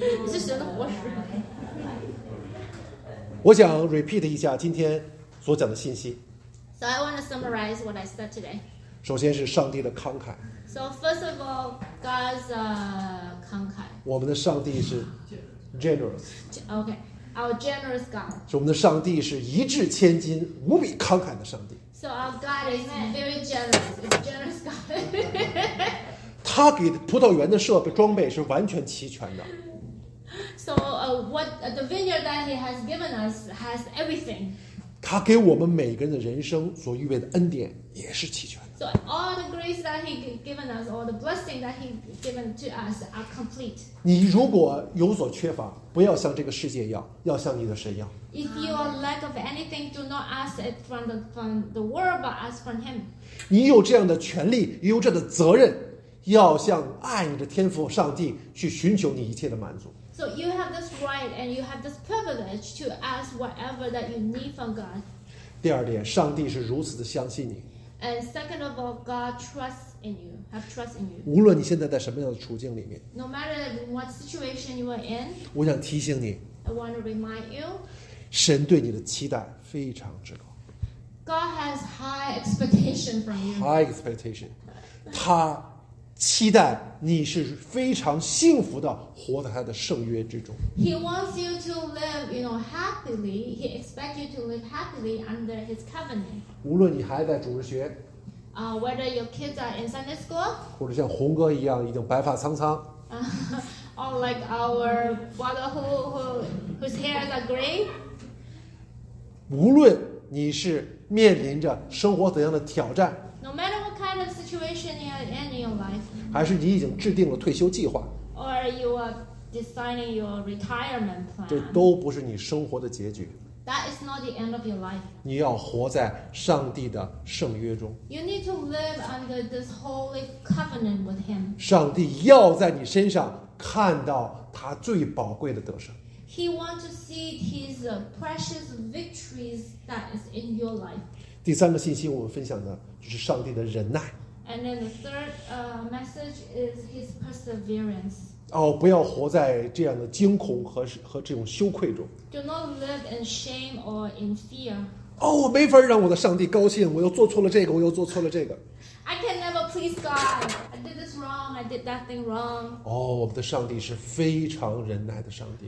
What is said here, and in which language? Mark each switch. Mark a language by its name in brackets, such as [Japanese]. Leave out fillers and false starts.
[Chinese] 是神的活石。我想 repeat 一下今天所讲的信息。 [English] So I want to summarize what I said today. [Chinese] 首先是上帝的慷慨。 [English] So first of all, God's慷慨。 [Chinese] 我们的上帝是 generous. [English] Okay, our generous God. [Chinese] 是我们的上帝是一掷千金、无比慷慨的上帝。 [English] So our God is very generous. It's generous God. [Chinese] 他给葡萄园的设备装备是完全齐全的。 [English] So the vineyard that he has given us has everything. [Chinese] 他给我们每个人的人生所预备的恩典也是齐全的。 [English] So all the grace that he given us, all the blessing that he given to us are complete. [Chinese] 你如果有所缺乏，不要像这个世界要，要像你的神要。 [English] If you are lack of anything, do not ask it from the world, but ask from Him. [Chinese] 你有这样的权利，有这样的责任，要向爱你的天父上帝去寻求你一切的满足。 [English] So you have this right and you have this privilege to ask whatever that you need from God. [Chinese] 第二点，上帝是如此的相信你。 [English] And second of all, God trusts in you, have trust in you. [Chinese] 无论你现在在什么样的处境里面。 [English] No matter what situation you are in. [Chinese] 我想提醒你。 [English] I want to remind you. [Chinese] 神对你的期待非常之高。 [English] God has high expectation from you. High expectation. [Chinese] 他期待你是非常幸福的活在他的圣约之中。 [English] He wants you to live, you know, happily. He expects you to live happily under his covenant. [Chinese] 无论你还在主日学。 [English] Whether your kids are in Sunday school. [Chinese] 或者像红哥一样已经白发苍苍。 [English] Or like our brother whose hairs are gray. [Chinese] 无论你是面临着生活怎样的挑战。 [English] No matter what kind of situation you are in your life, [Chinese] 还是你已经制定了退休计划 [English] or you are designing your retirement plan, [Chinese] 这都不是你生活的结局。 [English] That is not the end of your life. [Chinese] 你要活在上帝的圣约中。 [English] You need to live under this holy covenant with Him. [Chinese] 上帝要在你身上看到他最宝贵的得胜。 [English] He wants to see His precious victories that is in your life. [Chinese] 第三个信息我们分享的。就是上帝的忍耐。 [English] And then the third message is his perseverance. [Chinese] 哦，不要活在这样的惊恐和这种羞愧中。 [English] Do not live in shame or in fear. [Chinese] 哦，我没法让我的上帝高兴，我又做错了这个，我又做错了这个。 [English] I can never please God. I did this wrong. I did that thing wrong. [Chinese] 哦，我们的上帝是非常忍耐的上帝。